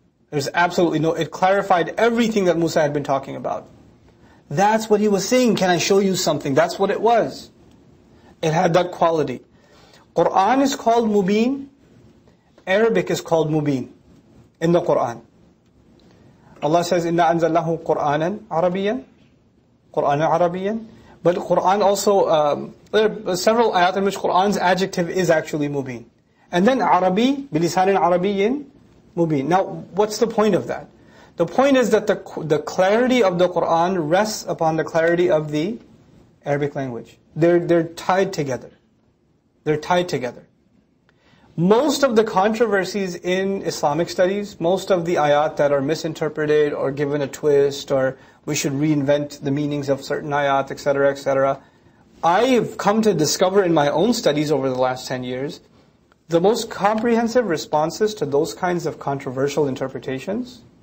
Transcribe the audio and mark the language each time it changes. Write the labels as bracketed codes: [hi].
[en] There's absolutely no, it clarified everything that Musa had been talking about. That's what he was saying, can I show you something? That's what it was. It had that quality. Qur'an is called mubin, Arabic is called mubin, in the Qur'an. Allah says, [ar] إِنَّا أَنزَلْنَاهُ قُرْآنًا عَرَبِيًّا. قُرْآنًا عَرَبِيًّا. [en] But Qur'an also, there are several ayat in which Qur'an's adjective is actually mubin. And then [ar] عَرَبِي, بِلِسَانٍ عَرَبِيٍّ مُبِينٍ. [en] Now, what's the point of that? The point is that the clarity of the Qur'an rests upon the clarity of the Arabic language. They're tied together. They're tied together. Most of the controversies in Islamic studies, most of the ayat that are misinterpreted or given a twist, or we should reinvent the meanings of certain ayat, etc., etc., I've come to discover in my own studies over the last 10 years, the most comprehensive responses to those kinds of controversial interpretations,